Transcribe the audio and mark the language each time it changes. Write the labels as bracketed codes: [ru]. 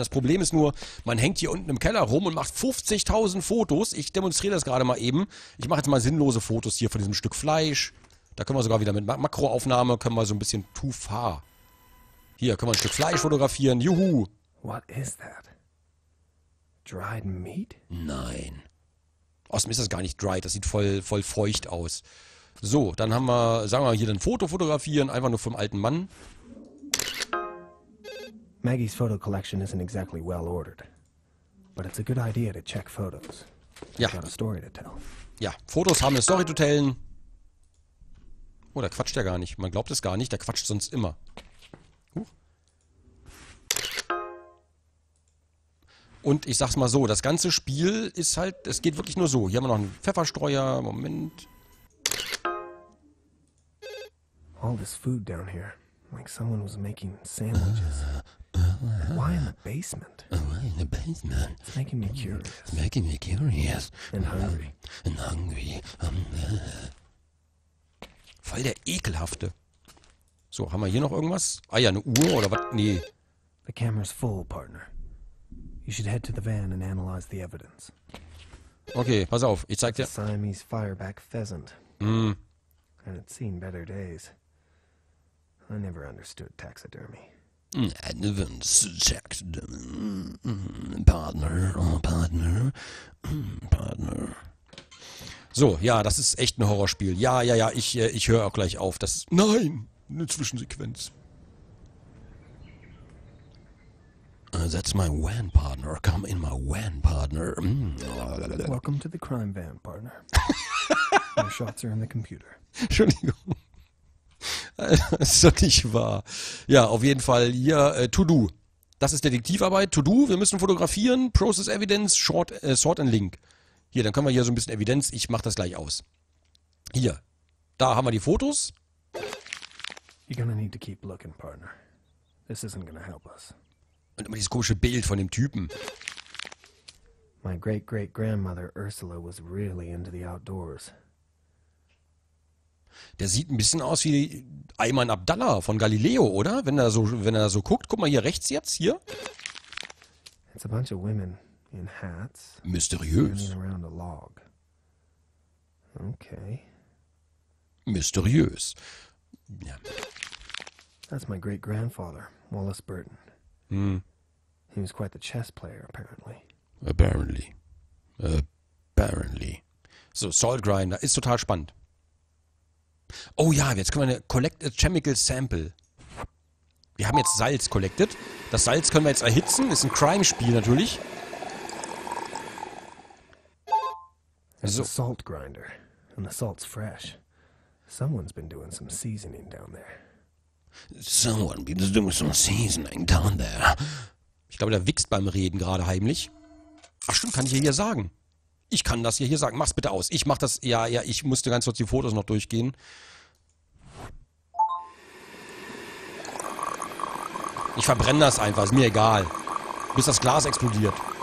[de] Das Problem ist nur, man hängt hier unten im Keller rum und macht 50.000 Fotos, ich demonstriere das gerade mal eben, ich mache jetzt mal sinnlose Fotos hier von diesem Stück Fleisch, da können wir sogar wieder mit Makroaufnahme, können wir so ein bisschen too far, hier können wir ein Stück Fleisch fotografieren, juhu. [en] What is that? Dried meat? [de] Nein. Außerdem ist das gar nicht dry, das sieht voll feucht aus. So, dann haben wir, sagen wir mal, hier ein Foto fotografieren, einfach nur vom alten Mann. [en] Maggie's photo collection isn't exactly well ordered. But it's a good idea to check photos. Ja. Got a story to tell. [de] Ja, Fotos haben eine Story zu tellen. Oh, da quatscht der gar nicht. Man glaubt es gar nicht, der quatscht sonst immer. Und ich sag's mal so, das ganze Spiel ist halt, es geht wirklich nur so. Hier haben wir noch einen Pfefferstreuer, Moment. [en] All this food down here, like someone was making sandwiches. Why in the basement? Why in the basement? It's making me curious. It's making me curious. And hungry. And hungry. [de] Voll der Ekelhafte. So, haben wir hier noch irgendwas? Ah ja, eine Uhr oder was? Nee. [en] The camera's full, partner. You should head to the van and analyze the evidence. [de] Okay, pass auf, ich zeig dir. [en] Siamese fireback pheasant. Mm. And it's seen better days. I never understood taxidermy. I never understood taxidermy. Partner, oh, partner. Partner. [de] So, ja, das ist echt ein Horrorspiel. Ja, ja, ja, ich höre auch gleich auf. Das. Nein! Eine Zwischensequenz. [en] That's my van partner. Come in, my van partner. Welcome to the crime van, partner. Your shots are in the computer. [de] Entschuldigung. Das ist doch nicht wahr. Ja, auf jeden Fall. Ja, to do. Das ist Detektivarbeit. To do. Wir müssen fotografieren. [en] Process evidence. Sort and link. [de] Hier, dann können wir hier so ein bisschen Evidenz. Ich mach das gleich aus. Hier. Da haben wir die Fotos. [en] You're gonna need to keep looking, partner. This isn't gonna help us. [de] Und immer dieses komische Bild von dem Typen. [en] My great-great-grandmother Ursula was really into the outdoors. [de] Der sieht ein bisschen aus wie Ayman Abdallah von Galileo, oder? Wenn er so guckt, guck mal hier rechts jetzt hier. [en] It's a bunch of women in hats. [de] Mysteriös. [en] Around a log. Okay. [de] Mysteriös. Ja. [en] That's my great-grandfather, Wallace Burton. He was quite the chess player, apparently. Apparently. [de] So, Salt Grinder ist total spannend. Oh ja, jetzt können wir eine [en] Collect a Chemical Sample. [de] Wir haben jetzt Salz collected. Das Salz können wir jetzt erhitzen. Ist ein Crime-Spiel natürlich. [en] There's a salt grinder. And the salt's fresh. Someone's been doing some seasoning down there. Someone been doing some seasoning down there. [de] Ich glaube, der wichst beim Reden gerade heimlich. Ach stimmt, kann ich hier sagen. Ich kann das hier sagen. Mach's bitte aus. Ich mach das. Ja, ich musste ganz kurz die Fotos noch durchgehen. Ich verbrenne das einfach, ist mir egal. Bis das Glas explodiert.